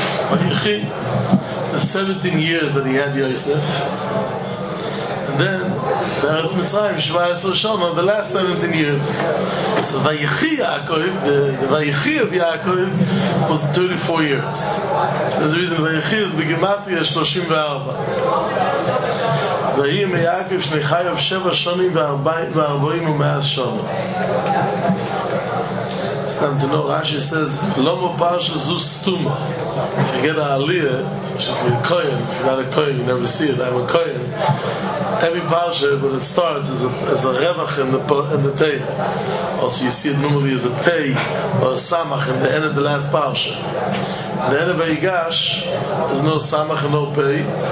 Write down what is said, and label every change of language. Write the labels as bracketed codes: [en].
[en] Vayichi, the 17 years that he had Yosef, and then Be'eretz Mitzrayim, 17 Shana, the last 17 years. So Vayichi Yaakov, the Vayichi of Yaakov, was 34 years. There's a reason Vayichi is Begimatria 34. [he] ויהי ימי יעקב שני חייו שבע שנים וארבעים ומאה שנה. סתם תנו, רש"י says, לא מופר שזו סתומה. [en] If you get a aliyah, it's pashut like a kohen. If you're not a kohen, you never see it. I'm a kohen. Every parsha, when it starts, is a revach in the teyah. Also, you see it normally as a pei or a samach in the end of the last parsha. In the end of Vayigash, there's no samach and no pei.